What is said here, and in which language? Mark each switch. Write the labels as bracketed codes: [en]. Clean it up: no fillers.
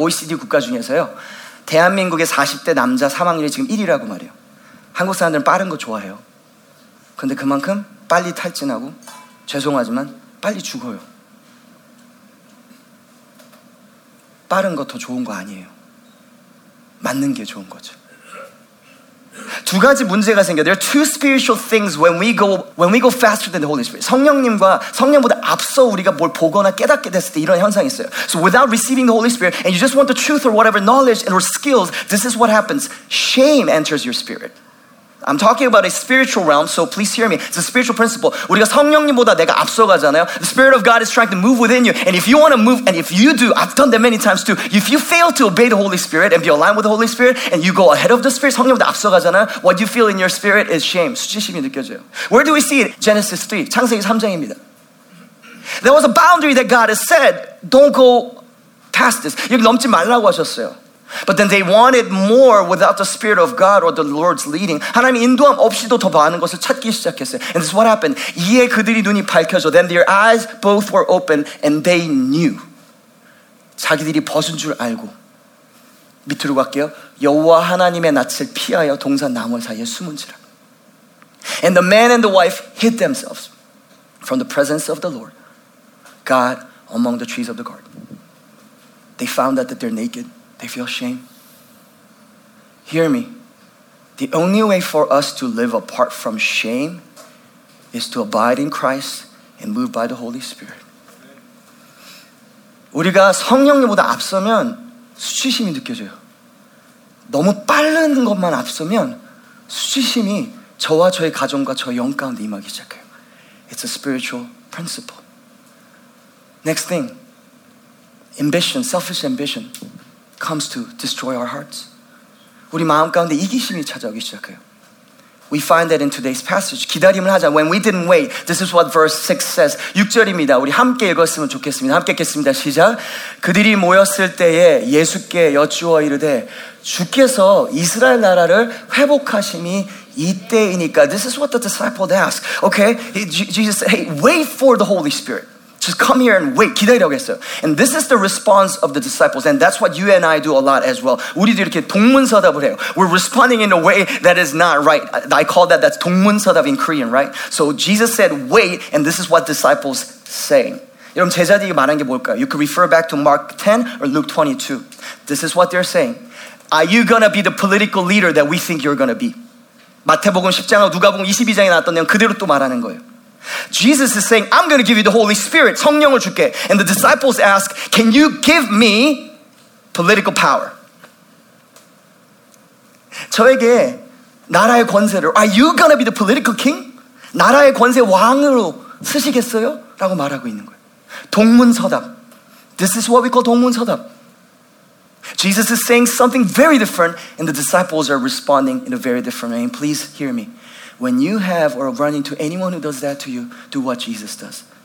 [ko] OECD 국가 중에서요. 대한민국의 40대 남자 사망률이 지금 1위라고 말해요. 한국 사람들은 빠른 거 좋아해요. 근데 그만큼 빨리 탈진하고, 죄송하지만 빨리 죽어요. 빠른 거 더 좋은 거 아니에요. 맞는 게 좋은 거죠. 두 가지 문제가 생겨요. [en] There are two spiritual things when we go faster than the Holy Spirit. [ko] 성령님과 성령보다 앞서 우리가 뭘 보거나 깨닫게 됐을 때 이런 현상이 있어요. [en] So without receiving the Holy Spirit and you just want the truth or whatever knowledge or skills, this is what happens. Shame enters your spirit. I'm talking about a spiritual realm, so please hear me. It's a spiritual principle. [ko] 우리가 성령님보다 내가 앞서가잖아요. [en] The Spirit of God is trying to move within you. And if you want to move, and if you do, I've done that many times too. If you fail to obey the Holy Spirit and be aligned with the Holy Spirit, and you go ahead of the Spirit, [ko] 성령보다 앞서가잖아요. [en] What you feel in your spirit is shame. [ko] 수치심이 느껴져요. [en] Where do we see it? Genesis 3, [ko] 창세기 3장입니다. [en] There was a boundary that God has said, don't go past this. [ko] 여기 넘지 말라고 하셨어요. [en] But then they wanted more without the Spirit of God or the Lord's leading. [ko] 하나님 인도함 없이도 더 많은 것을 찾기 시작했어요. [en] And this is what happened. [ko] 이에 그들이 눈이 밝혀져. [en] Then their eyes both were open and they knew. [ko] 자기들이 벗은 줄 알고. 밑으로 갈게요. 여호와 하나님의 낯을 피하여 동산 나무 사이에 숨은지라. [en] And the man and the wife hid themselves from the presence of the Lord. God among the trees of the garden. They found out that they're naked. They feel shame. Hear me. The only way for us to live apart from shame is to abide in Christ and move by the Holy Spirit. [ko] 우리가 성령님보다 앞서면 수치심이 느껴져요. 너무 빠른 것만 앞서면 수치심이 저와 저의 가정과 저의 영 가운데 임하기 시작해요. [en] It's a spiritual principle. Next thing. Ambition, selfish ambition. comes to destroy our hearts. [ko] 우리 마음 가운데 이기심이 찾아오기 시작해요. [en] We find that in today's passage. [ko] 기다림을 하자. [en] When we didn't wait, this is what verse 6 says. [ko] 6절입니다. 우리 함께 읽었으면 좋겠습니다. 함께 읽겠습니다. 시작. 그들이 모였을 때에 예수께 여쭈어 이르되 주께서 이스라엘 나라를 회복하심이 이때이니까. [en] This is what the disciples ask. Okay, Jesus said, hey, wait for the Holy Spirit. Just come here and wait. [ko] 기다리라고 했어요. [en] And this is the response of the disciples. And that's what you and I do a lot as well. [ko] 우리도 이렇게 동문서답을 해요. [en] We're responding in a way that is not right. I call that 동문서답 in Korean, right? So Jesus said, wait. And this is what disciples say. [ko] 여러분, 제자들이 말한 게 뭘까요? [en] You could refer back to Mark 10 or Luke 22. This is what they're saying. Are you going to be the political leader that we think you're going to be? [ko] 마태복음 10장하고 누가복음 22장에 나왔던 내용 그대로 또 말하는 거예요. [en] Jesus is saying, I'm going to give you the Holy Spirit, [ko] 성령을 줄게. [en] And the disciples ask, can you give me political power? [ko] 저에게 나라의 권세를, [en] are you going to be the political king? [ko] 나라의 권세 왕으로 쓰시겠어요? 라고 말하고 있는 거예요. [en] 동문서답. This is what we call 동문서답. Jesus is saying something very different and the disciples are responding in a very different way. Please hear me. When you have or run into anyone who does that to you, do what Jesus does.